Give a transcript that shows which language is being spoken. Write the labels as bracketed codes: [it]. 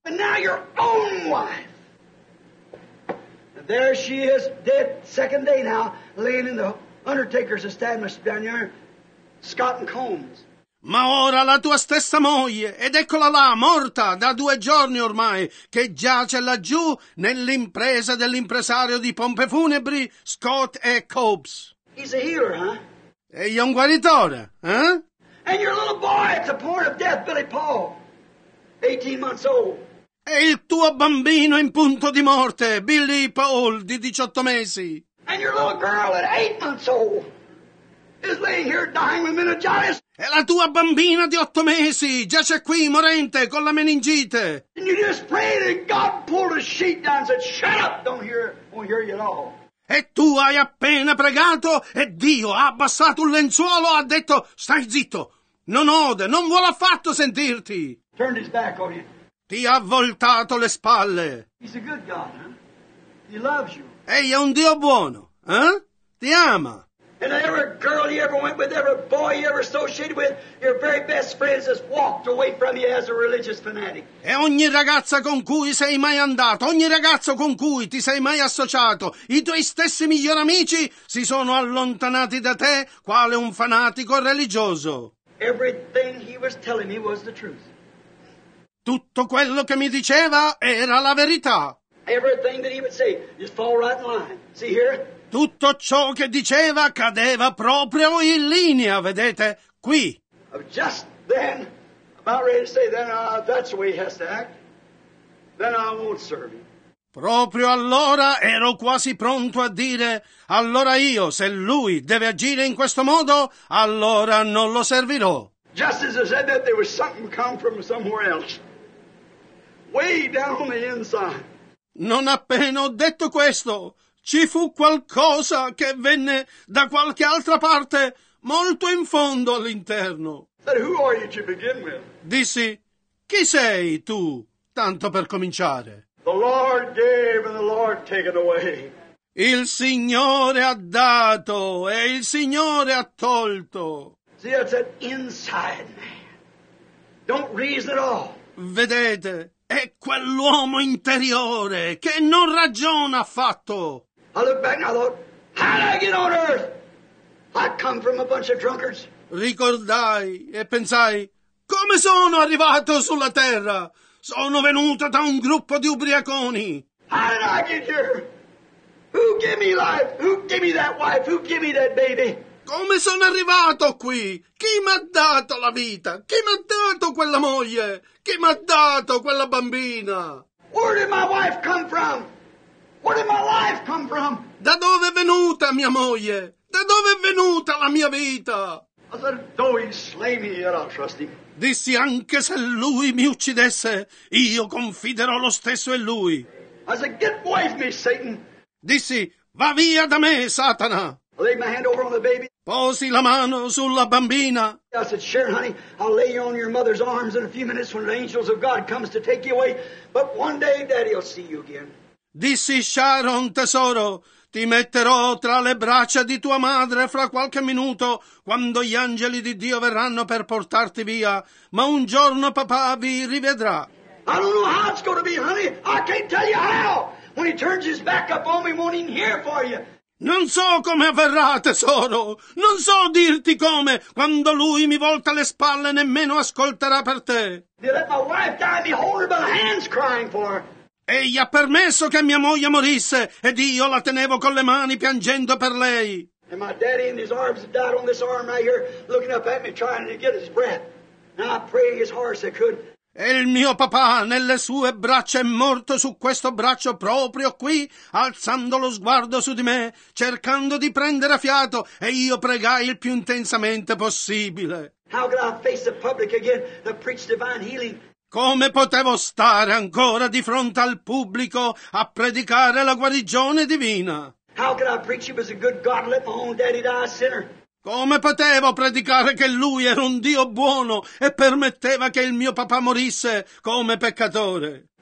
[en] And now your own wife. And there she is, dead, second day now, laying in the undertaker's establishment down here, Scott and Combs. [it] Ma ora la tua stessa moglie, ed eccola là, morta da due giorni ormai, che giace laggiù nell'impresa dell'impresario di pompe funebri, Scott e Cobbs. [en] He's a healer, huh? [it] Egli è un guaritore, eh? [en] And your little boy at the point of death, Billy Paul, 18 months old. [it] E il tuo bambino in punto di morte, Billy Paul, di 18 mesi. [en] And your little girl at 8 months old. Is laying here dying with meningitis. [it] E la tua bambina di 8 mesi giace qui morente con la meningite. [en] And you just prayed and God pulled a sheet down and said, shut up, won't hear you at all. [it] E tu hai appena pregato e Dio ha abbassato un lenzuolo, ha detto, stai zitto, non ode, non vuole affatto sentirti. [en] Turned his back on you. [it] Ti ha voltato le spalle. [en] He's a good God, huh? He loves you. [it] Egli è un Dio buono, eh? Ti ama. [en] And every girl you ever went with, every boy you ever associated with, your very best friends has walked away from you as a religious fanatic. [it] E ogni ragazza con cui sei mai andato, ogni ragazzo con cui ti sei mai associato, i tuoi stessi migliori amici si sono allontanati da te quale un fanatico religioso. [en] Everything he was telling me was the truth. [it] Tutto quello che mi diceva era la verità. [en] Everything that he would say, just fall right in line. See here? [it] Tutto ciò che diceva cadeva proprio in linea, vedete, qui. [en] Just then, about ready to say, then that's the way he has to act. Then I won't serve him. [it] Proprio allora ero quasi pronto a dire, allora io, se lui deve agire in questo modo, allora non lo servirò. [en] Just as I said that, there was something come from somewhere else. Way down the inside. [it] Non appena ho detto questo, ci fu qualcosa che venne da qualche altra parte, molto in fondo all'interno. [en] But who are you to begin with? [it] Dissi, chi sei tu, tanto per cominciare? [en] The Lord gave and the Lord taken away. [it] Il Signore ha dato e il Signore ha tolto. [en] See, it's an inside man. Don't reason at all. [it] Vedete, è quell'uomo interiore che non ragiona affatto. [en] I look back and I thought, how did I get on earth? I come from a bunch of drunkards. [it] Ricordai e pensai, come sono arrivato sulla terra? Sono venuto da un gruppo di ubriaconi. [en] How did I get here? Who gave me life? Who gave me that wife? Who gave me that baby? [it] Come sono arrivato qui? Chi mi ha dato la vita? Chi mi ha dato quella moglie? Chi mi ha dato quella bambina? [en] Where did my wife come from? Where did my life come from? [it] Da dove è venuta mia moglie? Da dove è venuta la mia vita? [en] I said, though he slay me, yet I'll trust him. [it] Dissi, anche se lui mi uccidesse, io confiderò lo stesso in lui. [en] I said, get away from me, Satan. [it] Dissi, va via da me, Satana. [en] I laid my hand over on the baby. [it] Posi la mano sulla bambina. [en] I said, sure, honey, I'll lay you on your mother's arms in a few minutes when the angels of God comes to take you away. But one day, daddy will see you again. [it] Dissi, Sharon, tesoro, ti metterò tra le braccia di tua madre fra qualche minuto, quando gli angeli di Dio verranno per portarti via, ma un giorno papà vi rivedrà. [en] I don't know how it's going to be, honey. I can't tell you how. When he turns his back up on me, won't even hear for you. [it] Non so come avverrà, tesoro. Non so dirti come. Quando lui mi volta le spalle, nemmeno ascolterà per te. [en] They let my wife die, me horrible hands crying for her. [it] Egli ha permesso che mia moglie morisse ed io la tenevo con le mani piangendo per lei. [en] And my daddy in his arms died on this arm right here, looking up at me, trying to get his breath. And I prayed as hard as I could. [it] E il mio papà nelle sue braccia è morto su questo braccio proprio qui, alzando lo sguardo su di me, cercando di prendere fiato, e io pregai il più intensamente possibile. [en] How could I face the public again to preach divine healing? [it] Come potevo stare ancora di fronte al pubblico a predicare la guarigione divina? [en] How could I preach it was a good God, let my own daddy die a sinner? [it] Come potevo predicare che lui era un Dio buono e permetteva che il mio papà morisse come peccatore?